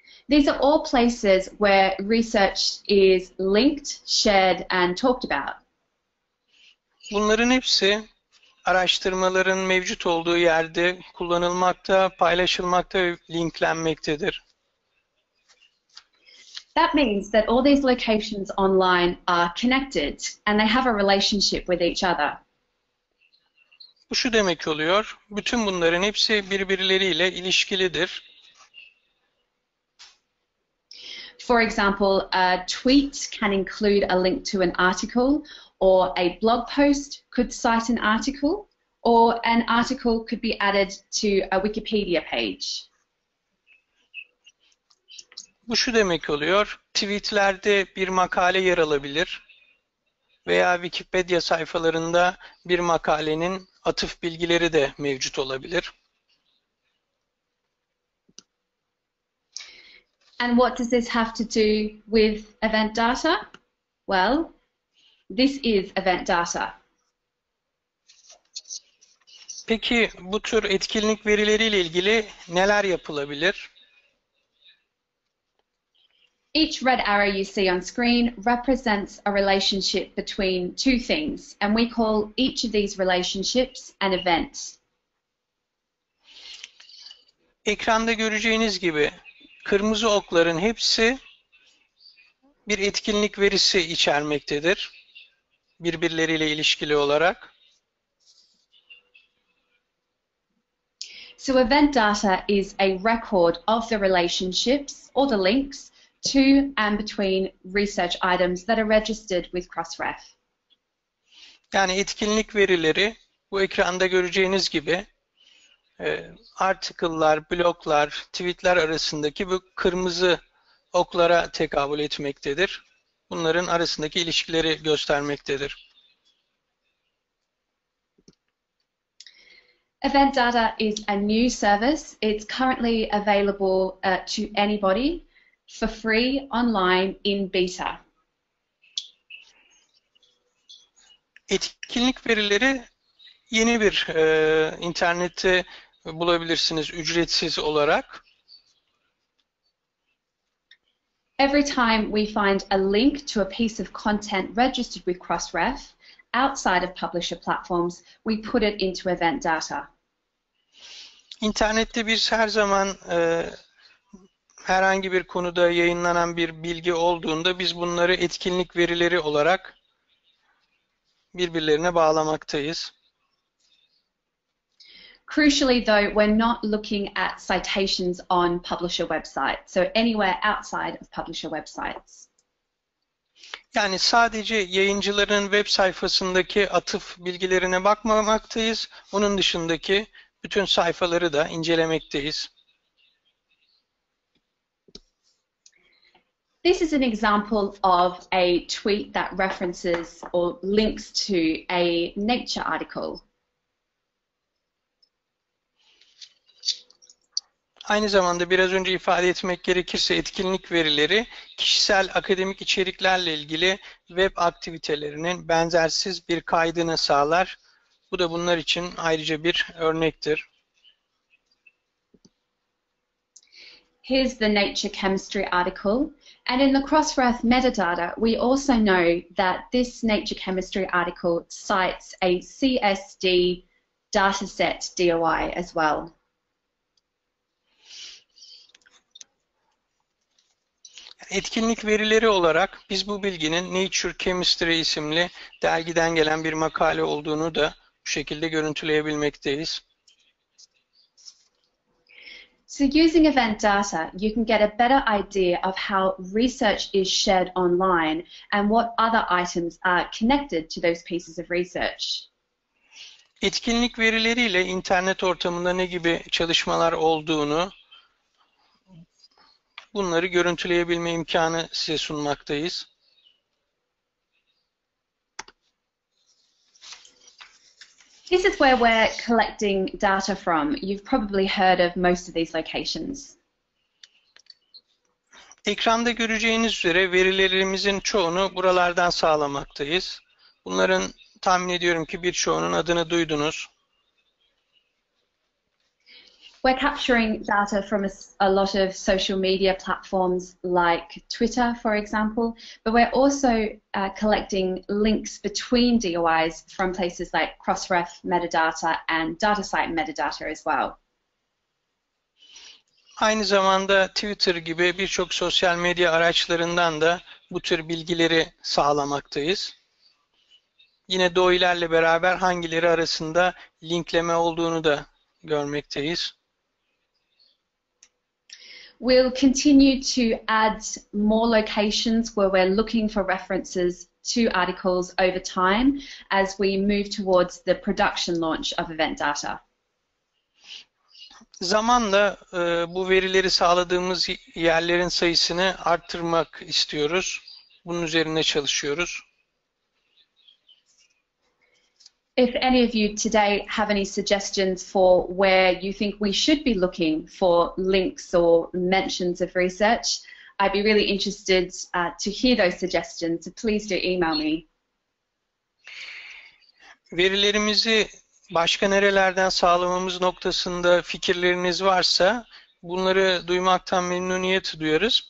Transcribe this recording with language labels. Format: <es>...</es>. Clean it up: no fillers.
<en>These are all places where research is linked, shared and talked about.</en> <tr>Bunların hepsi araştırmaların mevcut olduğu yerde kullanılmakta, paylaşılmakta ve linklenmektedir.</tr> <en>That means that all these locations online are connected and they have a relationship with each other.</en> <tr>Bu şu demek oluyor, bütün bunların hepsi birbirleriyle ilişkilidir.</tr> <en>For example, a tweet can include a link to an article, or a blog post could cite an article, or an article could be added to a Wikipedia page.</en> <tr>Bu şu demek oluyor, tweetlerde bir makale yer alabilir. Veya Wikipedia sayfalarında bir makalenin atıf bilgileri de mevcut olabilir.</tr> <en>And what does this have to do with event data? Well, this is event data.</en> <tr>Peki bu tür etkinlik verileriyle ilgili neler yapılabilir?</tr> <en>Each red arrow you see on screen represents a relationship between two things, and we call each of these relationships an event.</en> <tr>Ekranda göreceğiniz gibi kırmızı okların hepsi bir etkinlik verisi içermektedir, birbirleriyle ilişkili olarak.</tr> <en>So event data is a record of the relationships or the links to and between research items that are registered with Crossref.</en> <tr>Yani etkinlik verileri bu ekranda göreceğiniz gibi article'lar, bloglar, tweet'ler arasındaki bu kırmızı oklara tekabül etmektedir. Bunların arasındaki ilişkileri göstermektedir.</tr> <en>Event data is a new service. It's currently available to anybody for free online in beta.</en> <tr>Etkinlik verileri yeni bir internette bulabilirsiniz ücretsiz olarak.</tr> <en>Every time we find a link to a piece of content registered with Crossref outside of publisher platforms, we put it into event data.</en> <tr>İnternette biz her zaman herhangi bir konuda yayınlanan bir bilgi olduğunda biz bunları etkinlik verileri olarak birbirlerine bağlamaktayız.</tr> <en>Crucially though, we're not looking at citations on publisher websites, so anywhere outside of publisher websites.</en> <tr>Yani sadece yayıncıların web sayfasındaki atıf bilgilerine bakmamaktayız, onun dışındaki bütün sayfaları da incelemekteyiz.</tr> <en>This is an example of a tweet that references or links to a Nature article.</en> <tr>Aynı zamanda biraz önce ifade etmek gerekirse etkinlik verileri kişisel akademik içeriklerle ilgili web aktivitelerinin benzersiz bir kaydını sağlar. Bu da bunlar için ayrıca bir örnektir.</tr> <en>Here's the Nature Chemistry article, and in the Crossref metadata, we also know that this Nature Chemistry article cites a CSD dataset DOI as well.</en> <tr>Etkinlik verileri olarak biz bu bilginin Nature Chemistry isimli dergiden gelen bir makale olduğunu da bu şekilde görüntüleyebilmekteyiz.</tr> <en>So using event data, you can get a better idea of how research is shared online and what other items are connected to those pieces of research.</en> <tr>Etkinlik verileriyle internet ortamında ne gibi çalışmalar olduğunu, bunları görüntüleyebilme imkanı size sunmaktayız.</tr> <en>This is where we're collecting data from. You've probably heard of most of these locations.</en> <tr>Ekranda göreceğiniz üzere verilerimizin çoğunu buralardan sağlamaktayız. Bunların tahmin ediyorum ki birçoğunun adını duydunuz.</tr> <en>We're capturing data from a lot of social media platforms like Twitter, for example, but we're also collecting links between DOIs from places like Crossref metadata and Datasite metadata as well.</en> <tr>Aynı zamanda Twitter gibi birçok sosyal medya araçlarından da bu tür bilgileri sağlamaktayız. Yine DOI'lerle beraber hangileri arasında linkleme olduğunu da görmekteyiz.</tr> <en>We'll continue to add more locations where we're looking for references to articles over time as we move towards the production launch of event data.</en> <tr>Zamanla bu verileri sağladığımız yerlerin sayısını arttırmak istiyoruz. Bunun üzerine çalışıyoruz.</tr> <en>If any of you today have any suggestions for where you think we should be looking for links or mentions of research, I'd be really interested to hear those suggestions. So please do email me.</en> <tr>Verilerimizi başka nerelerden sağlamamız noktasında fikirleriniz varsa bunları duymaktan memnuniyet duyarız.</tr>